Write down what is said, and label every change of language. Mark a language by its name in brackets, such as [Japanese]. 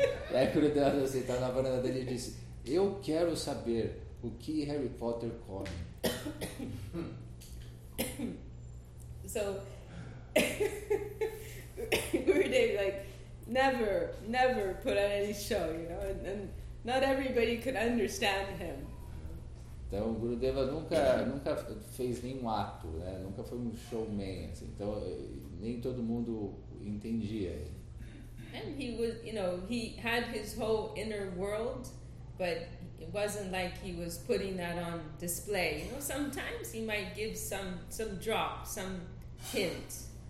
[Portuguese] E aí Gurudev estava sentado na varanda dele e disse, eu quero saber o que Harry Potter come. [English] So Gurudev like never put on any show, you know, and not everybody could understand him. [Portuguese] Então o Gurudeva nunca fez nenhum ato, né? Nunca foi um showman, assim. Então nem todo mundo entendia ele. [English] And he was, you know, he had his whole inner world, but it wasn't like he was putting that on display. You know, sometimes he might give some drop, some hint.